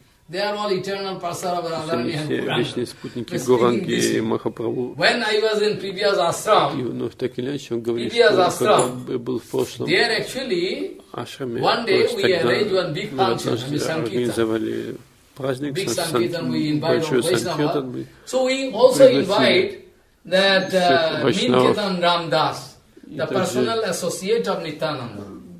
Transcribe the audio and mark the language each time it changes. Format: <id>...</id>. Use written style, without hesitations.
<en>they are all eternal Parsara Varadharani and Puranga.</en> <ru>Вечные спутники Гуранги и Махапрабху.</ru> <en>When I was in Pribhyas Ashram, there actually, one day we arranged one big function, Sankirtan. Big Sankirtan, we invite Vaishnava. So we also invite that Nityatan Ramdas, the personal associate of Nityananda.</en>